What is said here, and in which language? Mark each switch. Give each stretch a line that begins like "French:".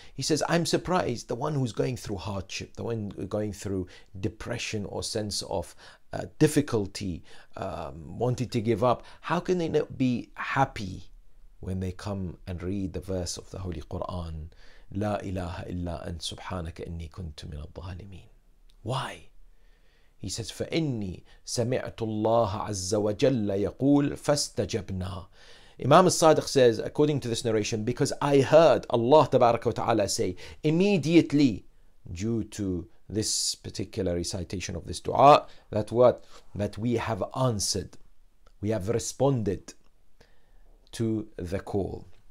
English: He says, "I'm surprised the one who's going through hardship, the one going through depression or sense of difficulty, wanting to give up, how can they not be happy when they come and read the verse of the Holy Quran,
Arabic: La ilaha illa ant subhanaka inni kuntu min al-dhalimeen."
English: Why? He says,
Arabic: فَإِنِّي سَمِعْتُ اللَّهَ عَزَّ وَجَلَّ يَقُولُ فَاسْتَجَبْنَا.
English: Imam al-Sadiq says, according to this narration, because I heard Allah tabaraka wa ta'ala say, immediately, due to this particular recitation of this dua, that what? That we have answered, we have responded to the call.